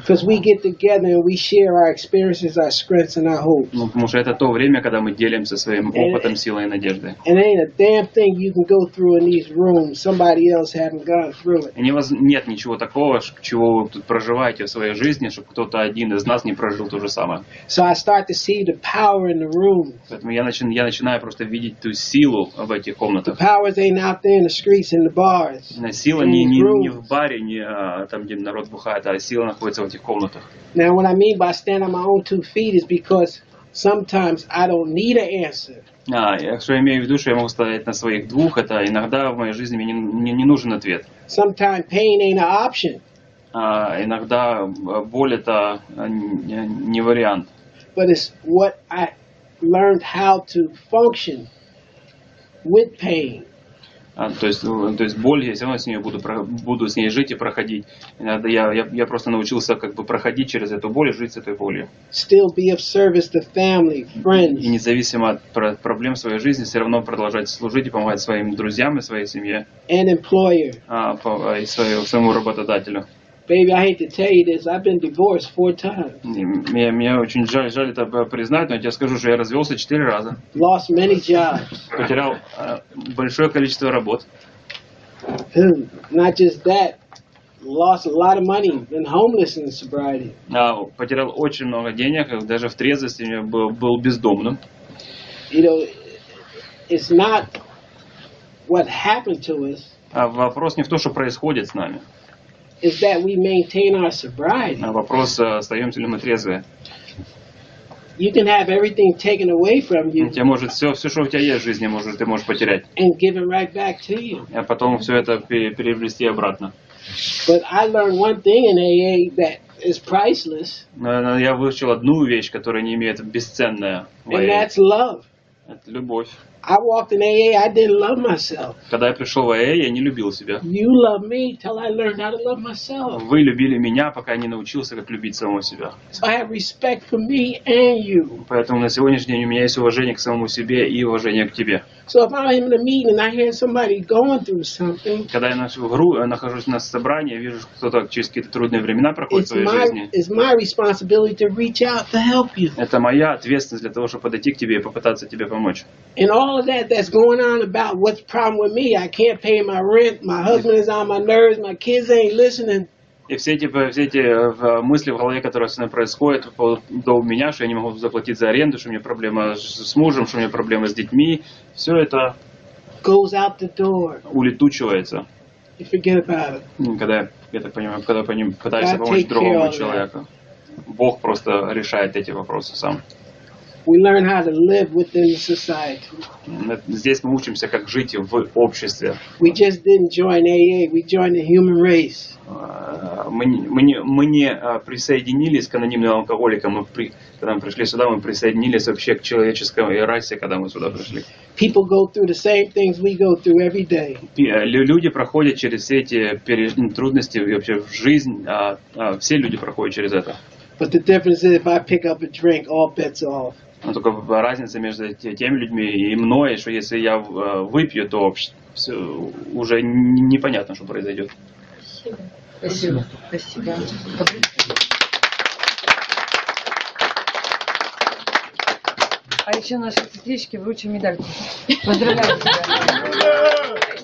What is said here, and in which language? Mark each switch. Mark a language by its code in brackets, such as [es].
[en] Because we get together and we share our experiences, our strengths and our hopes. [ru] Ну, потому что это то время, когда мы делимся своим опытом, силой и надеждой. [en] And ain't a damn thing you can go through in these rooms somebody else haven't gone through it. [ru] Нет ничего такого, чего вы тут проживаете в своей жизни, чтобы кто-то один из нас не прожил то же самое. [en] So I start to see the power in the room. [ru] Поэтому я начинаю просто видеть ту силу в этих комнатах. [en] The powers ain't out there in the streets and the bars. [ru] Сила не в баре, не там, где народ бухает, а сила находится в этих комнатах. [en] Now what I mean by standing on my own two feet is because sometimes I don't need an answer. [ru] Что я имею в виду, что я могу стоять на своих двух, это иногда в моей жизни мне не нужен ответ. [en] Sometimes pain ain't an option. [ru] Иногда боль — это не вариант. [en] But it's what I learned how to function with pain. [ru] То есть боль, я все равно буду с ней жить и проходить. Я просто научился как бы проходить через эту боль и жить с этой болью. [en] Still be of service to family, friends. [ru] И независимо от проблем в своей жизни, все равно продолжать служить и помогать своим друзьям и своей семье. [en] And employer. [ru] И своему работодателю. [en] Baby, I hate to tell you this, I've been divorced 4 times. [ru] Мне очень жаль это признать, но я тебе скажу, что я развелся 4 раза. [en] Lost many jobs. [ru] Потерял большое количество работ. [en] Not just that, lost a lot of money, been homeless in sobriety. [ru] Потерял очень много денег, даже в трезвости я был бездомным. [en] You know, it's not what happened to us. [ru] Вопрос не в том, что происходит с нами. [en] Is that we maintain our sobriety? [ru] Вопрос, остаемся ли мы трезвы? [en] You can have everything taken away from you. [ru] Тебя может все, что у тебя есть в жизни, ты можешь потерять. [en] And give it right back to you. [ru] А потом все это перевести обратно. [en] But I learned one thing in AA that is priceless. [ru] Но я выучил одну вещь, которая не имеет бесценная. [en] And that's love. [ru] Это любовь. [en] I walked in AA, I didn't love myself. [ru] Когда я пришел в АА, я не любил себя. [en] You love me till I learned how to love myself. [ru] Вы любили меня, пока я не научился, как любить самого себя. [en] So I have respect for me and you. [ru] Поэтому на сегодняшний день у меня есть уважение к самому себе и уважение к тебе. [en] So if I'm in a meeting and I hear somebody going through something, [ru] когда я нахожусь на собрании, вижу, кто-то через какие-то трудные времена проходит в своей жизни, [en] it's my responsibility to reach out to help you. [ru] Это моя ответственность для того, чтобы подойти к тебе и попытаться тебе помочь. [en] And all of that that's going on about what's the problem with me, I can't pay my rent, my husband is on my nerves, my kids ain't listening. [ru] И все эти мысли в голове, которые с ним происходят по поводу меня, что я не могу заплатить за аренду, что у меня проблема с мужем, что у меня проблема с детьми, все это [en] goes out the door. [ru] Улетучивается. [en] You forget about it. [ru] Когда я так понимаю, когда по ним пытаюсь помочь другому человеку, Бог просто решает эти вопросы сам. [en] We learn how to live within society. [ru] Здесь мы учимся, как жить в обществе. [en] We just didn't join AA, we joined the human race. [ru] Мы не присоединились к анонимным алкоголикам, когда мы пришли сюда, мы присоединились вообще к человеческой расе, когда мы сюда пришли. [en] People go through the same things we go through every day. [ru] Люди проходят через все эти трудности, и вообще в жизнь, все люди проходят через это. [en] But the difference is if I pick up a drink, all bets are off. [ru] Но только разница между теми людьми и мной, что если я выпью, то все, уже непонятно, что произойдет. Спасибо. А еще наши сердечки вручим медаль. Поздравляю тебя.